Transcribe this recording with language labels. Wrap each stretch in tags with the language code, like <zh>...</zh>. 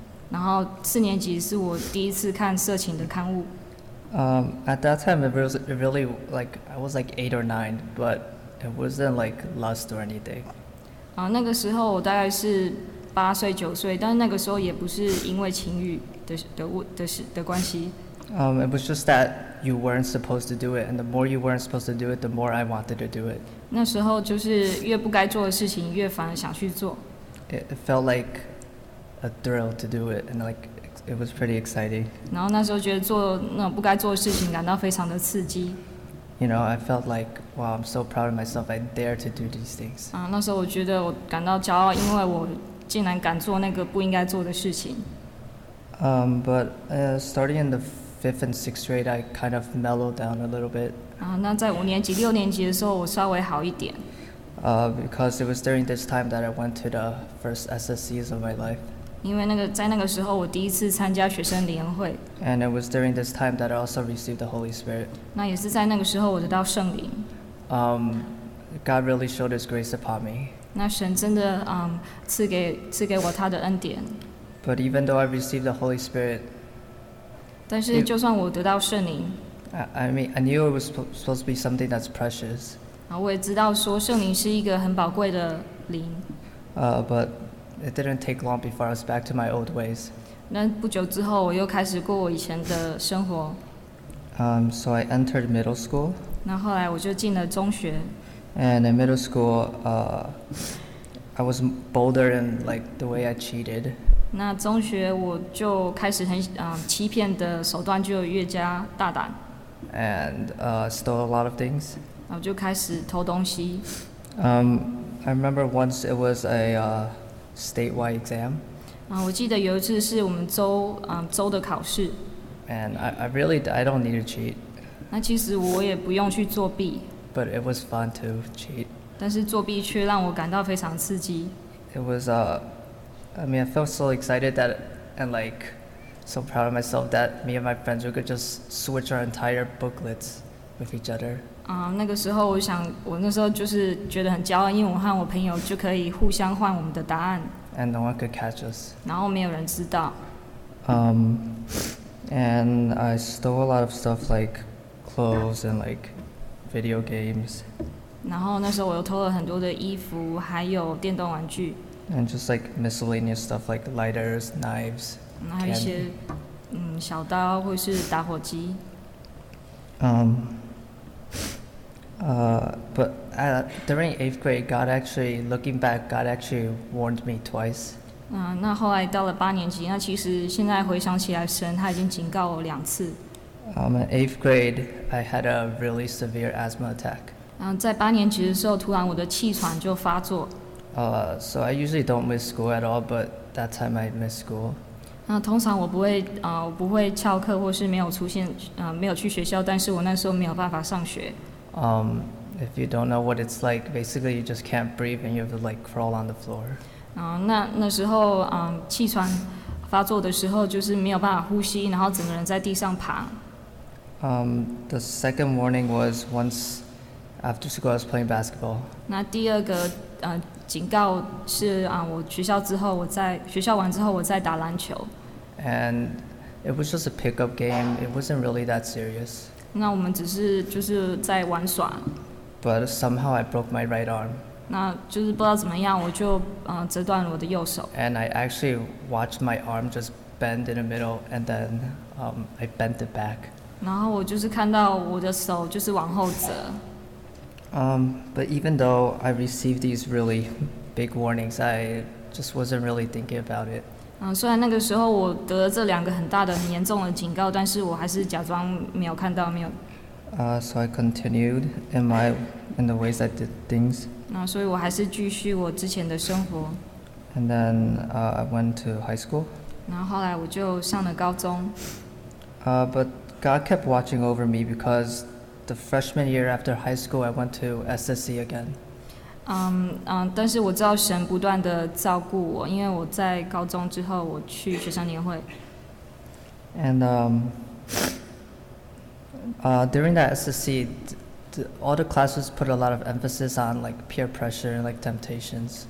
<zh>然后四年级是我第一次看色情的刊物。</zh> <en>At that time, I was like 8 or 9, but it wasn't like lust or anything.</en> <zh>那个时候我大概是8岁9岁，但是那个时候也不是因为情欲的关系。</zh> <en>It was just that you weren't supposed to do it, and the more you weren't supposed to do it, the more I wanted to do it.</en> <zh>那时候就是越不该做的事情，越反而想去做。</zh> <en>It felt like a thrill to do it, and like it was pretty exciting.</en> <zh>然后那时候觉得做那种不该做的事情感到非常的刺激。</zh> <en>You know, I felt like, wow, I'm so proud of myself. I dare to do these things.</en> <zh>那时候我觉得我感到骄傲，因为我竟然敢做那个不应该做的事情。</zh> <en>But starting in the fifth and sixth grade, I kind of mellowed down a little bit.</en> <zh>那在五年级、六年级的时候，我稍微好一点。</zh> <en>Because it was during this time that I went to the first SSCs of my life.</en> <zh>因为在那个时候，我第一次参加学生联会。</zh> <en>And it was during this time that I also received the Holy Spirit.</en> <zh>那也是在那个时候，我得到圣灵。</zh> <en>God really showed His grace upon me.</en> <zh>那神真的赐给我他的恩典。</zh> <en>But even though I received the Holy Spirit,</en> <zh>但是就算我得到圣灵。</zh> <en>I mean, I knew it was supposed to be something that's precious.</en> <zh>我也知道说圣灵是一个很宝贵的灵。</zh> <en>But it didn't take long before I was back to my old ways.</en> <zh>那不久之后，我又开始过我以前的生活。</zh> <en>So I entered middle school.</en> <zh>那后来我就进了中学。</zh> <en>And in middle school, I was bolder in like the way I cheated.</en> <zh>那中学我就开始很欺骗的手段就越加大胆。</zh> <en>And stole a lot of things.</en> <zh>然后就开始偷东西。</zh> <en>I remember once it was a statewide exam.</en> <zh>我记得有一次是我们州州的考试。</zh> <en>And I don't need to cheat.</en> <zh>那其实我也不用去作弊。</zh> <en>But it was fun to cheat.</en> <zh>但是作弊却让我感到非常刺激。</zh> <en>It was I felt so excited that and like. So proud of myself that me and my friends we could just switch our entire booklets with each other.</en> <zh>那个时候我想，我那时候就是觉得很骄傲，因为我和我朋友就可以互相换我们的答案。</zh> <en>And no one could catch us.</en> <zh>然后没有人知道。</zh> <en>And I stole a lot of stuff like clothes and like video games.</en> <zh>然后那时候我又偷了很多的衣服，还有电动玩具。</zh> <en>And just like miscellaneous stuff like lighters, knives.</en> <zh>还有一些小刀或是打火机。</zh> <en>But during eighth grade, God actually looking back, God actually warned me twice.</en> <zh>那后来到了八年级，那其实现在回想起来，神他已经警告我两次。</zh> <en>In eighth grade, I had a really severe asthma attack.</en> <zh>在八年级的时候，突然我的气喘就发作。</zh> <en>So I usually don't miss school at all, but that time I missed school.</en> <zh>那通常我不会我不会翘课或是没有出现没有去学校，但是我那时候没有办法上学。</zh> <en>If you don't know what it's like, basically you just can't breathe and you have to like crawl on the floor.</en> <zh>那时候气喘发作的时候就是没有办法呼吸，然后整个人在地上爬。</zh> <en>The second warning was once after school I was playing basketball.</en> <zh>那第二个警告是我学校之后，我在学校完之后，我在打篮球。</zh> <en>And it was just a pickup game. It wasn't really that serious.</en> <zh>那我们只是就是在玩耍。</zh> <en>But somehow I broke my right arm.</en> <zh>那就是不知道怎么样，我就折断了我的右手。</zh> <en>And I actually watched my arm just bend in the middle, and then I bent it back.</en> <zh>然后我就是看到我的手就是往后折。</zh> <en>But even though I received these really big warnings, I just wasn't really thinking about it.</en> <zh>虽然那个时候我得了这两个很大的、很严重的警告，但是我还是假装没有看到，没有。</zh> <en>So I continued in the ways I did things.</en> <zh>所以我还是继续我之前的生活。</zh> <en>And then I went to high school.</en> <zh>然后后来我就上了高中。</zh> <en>But God kept watching over me because. The freshman year after high school, I went to SSC again.</en> <zh>但是我知道神不断的照顾我，因为我在高中之后我去学生联会。</zh> <en>And during that SSC, all the classes put a lot of emphasis on like peer pressure and like temptations.</en>